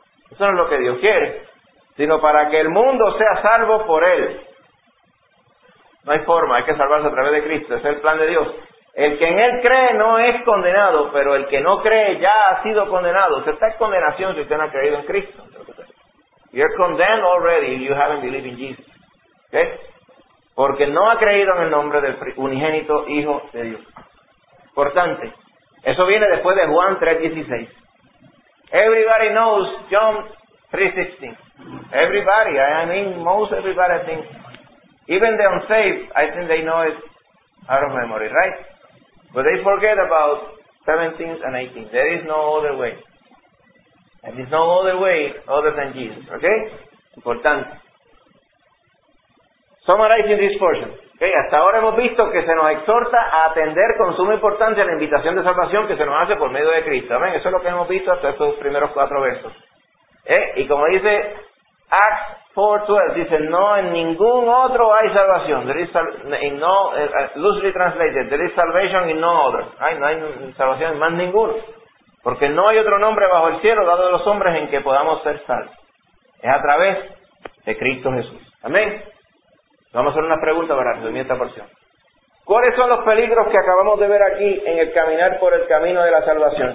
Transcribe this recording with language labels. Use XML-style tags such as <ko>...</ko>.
<es>Eso no es lo que Dios quiere, sino para que el mundo sea salvo por Él. No hay forma, hay que salvarse a través de Cristo, ese es el plan de Dios. El que en Él cree no es condenado, pero el que no cree ya ha sido condenado. Usted está en condenación si usted no ha creído en Cristo.</es> <en>You're condemned already if you haven't believed in Jesus. ¿Okay?</en> <es>Porque no ha creído en el nombre del unigénito Hijo de Dios. Importante. Eso viene después de Juan 3:16.</es> <en>Everybody knows John 3:16. Everybody, I mean most everybody, I think. Even the unsaved, I think they know it out of memory, right? But they forget about 17 and 18. There is no other way. There is no other way other than Jesus, okay?</en> <es>Importante.</es> <en>Summarizing this portion.</en> <es>Okay, hasta ahora hemos visto que se nos exhorta a atender con suma importancia la invitación de salvación que se nos hace por medio de Cristo. Amén. Eso es lo que hemos visto hasta estos primeros 4 versos. Y como dice Acts 4:12, dice, no, en ningún otro hay salvación.</es> <en>There is loosely translated, there is salvation in no other.</en> <es>No hay salvación en más ninguno. Porque no hay otro nombre bajo el cielo dado a los hombres en que podamos ser salvos. Es a través de Cristo Jesús. Amén. Vamos a hacer una pregunta para resumir esta porción. ¿Cuáles son los peligros que acabamos de ver aquí en el caminar por el camino de la salvación?</es>